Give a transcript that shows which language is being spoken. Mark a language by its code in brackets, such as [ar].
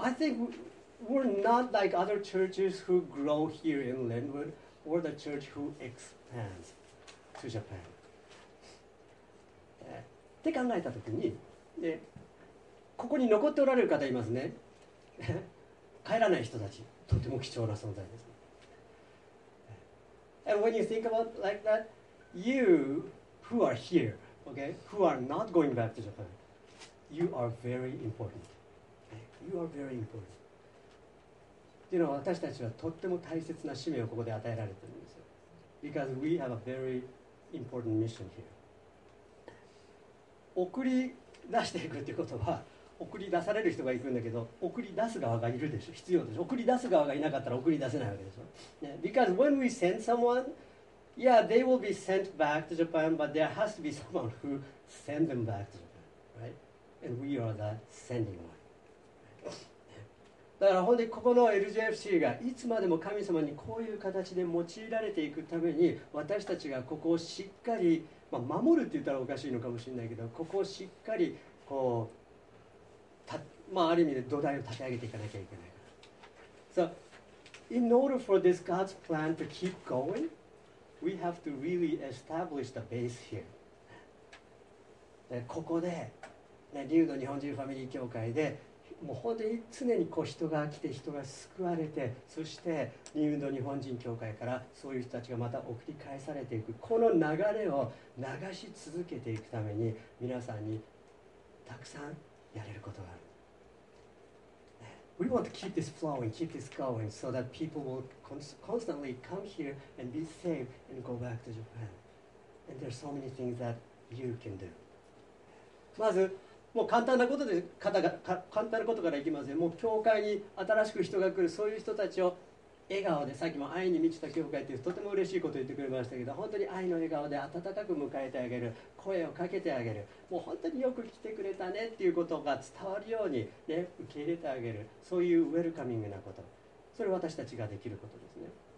[en] So I think We're not like other churches who grow here in Linwood. We're the church who expands to Japan. [ja] って考えたときに、で、ここに残っておられる方いますね。帰らない人たち、とても貴重な存在です。 [en] And when you think about like that, you who are here, okay, who are not going back to Japan, you are very important. You are very important. [ja] っていうのは私たちはとっても大切な使命をここで与えられているんですよ。 [en] Because we have a very important mission here. [ja] 送り出していくということは、送り出される人がいるんだけど、送り出す側がいるでしょ、必要でしょ。送り出す側がいなかったら送り出せないわけでしょ。 [en] ね、Because when we send someone, yeah, they will be sent back to Japan, but there has to be someone who send them back to Japan, right? And we are the sending one. [ja] だから本当にここの LJFC がいつまでも神様にこういう形で用いられていくために、私たちがここをしっかり、まあ、守るって言ったらおかしいのかもしれないけど、ここをしっかりこう、まあ、ある意味で土台を立て上げていかなきゃいけないから。 [en] So, in order for this God's plan to keep going, we have to really establish the base here. [ja] でここで、ね、リュウの日本人ファミリー教会で、もう本当に常にこう人が来て人が救われて、そしてニューインド日本人教会からそういう人たちがまた送り返されていく、この流れを流し続けていくために皆さんにたくさんやれることがある。 [en] We want to keep this flowing, keep this going so that people will constantly come here and be saved and go back to Japan. And there are so many things that you can do. [ja] まずもう簡単なことで、簡単なことからいきますよ。もう教会に新しく人が来る、そういう人たちを笑顔で、さっきも愛に満ちた教会ってとても嬉しいこと言ってくれましたけど、本当に愛の笑顔で温かく迎えてあげる、声をかけてあげる、もう本当によく来てくれたねっていうことが伝わるように、ね、受け入れてあげる、そういうウェルカミングなこと、それ私たちができることですね。